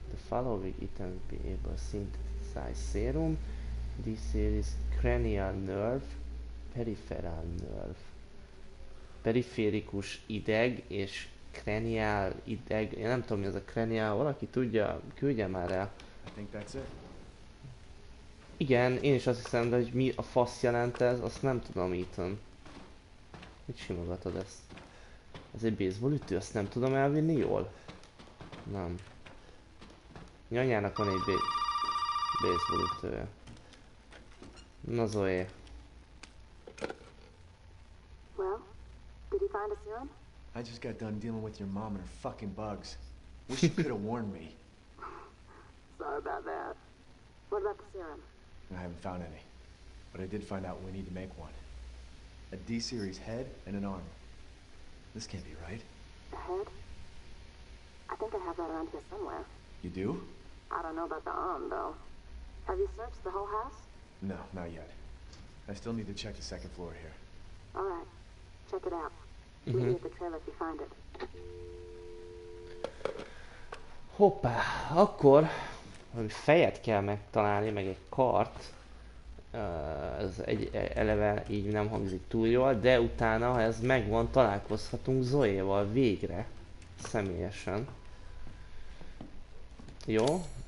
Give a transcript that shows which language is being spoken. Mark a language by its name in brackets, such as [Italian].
[English] The following item will be able to synthesize serum. This is cranial nerve, peripheral nerve. [Hungarian] Periférikus ideg és cranial ideg. Én nem tudom, mi az a cranial. Valaki tudja, küldje már el. Igen, én is azt hiszem, de hogy mi a fasz jelent ez, azt nem tudom, Ethan. Mit simogatod ezt? Ez egy baseball ütő, azt nem tudom elvinni jól. Nem. Nyanyának van egy baseball ütője. Na Zoé. [English] Well, did you find a serum? I just got done dealing with your mom and her fucking bugs. Wish you could have warned me. Sorry about that. What about the serum? I haven't found any. But I did find out we need to make one. A D-series head and an arm. This can't be right. A head? I think I have that around here somewhere. You do? I don't know about the arm, though. Have you searched the whole house? No, not yet. I still need to check the second floor here. All right, check it out. Leave me at the trailer if you find it. [Hungarian] Hoppá, akkor valami fejet kell megtalálni, meg egy kart. Ez egy eleve így nem hangzik túl jól, de utána, ha ez megvan, találkozhatunk Zoéval végre, személyesen. Jó.